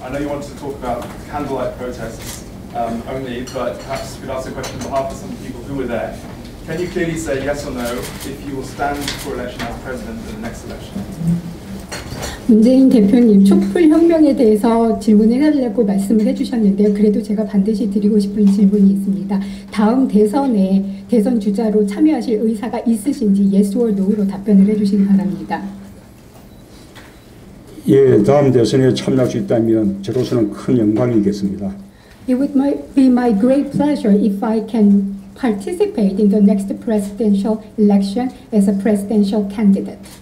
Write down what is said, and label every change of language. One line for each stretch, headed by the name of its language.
English: I know you wanted to talk about candlelight protests only, but perhaps you could ask a question on behalf of some people who were there. Can you clearly say yes or no if you will stand for election as president in the next election?
Korean: 문재인 대표님, 촛불혁명에 대해서 질문을 해달라고 말씀을 해주셨는데요. 그래도 제가 반드시 드리고 싶은 질문이 있습니다. 다음 대선에 대선 주자로 참여하실 의사가 있으신지
English: yes or no
Korean: 로 답변을 해주시기 바랍니다. 예, 다음 대선에 참여할 수 있다면 저로서는 큰 영광이겠습니다.
English: It would be my great pleasure if I can participate in the next presidential election as a presidential candidate.